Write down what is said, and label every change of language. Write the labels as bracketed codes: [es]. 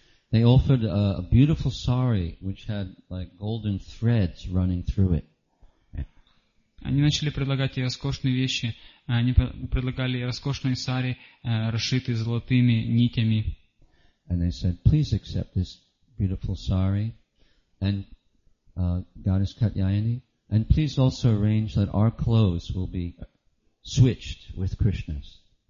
[en] They offered a beautiful sari which had like golden threads running through it. [ru] Они начали предлагать ей роскошные вещи. Они предлагали ей роскошные сари, расшитые золотыми нитями. [en] And they said, please accept this beautiful sari and goddess Katyayani, and please also arrange that our clothes will be switched with Krishna's.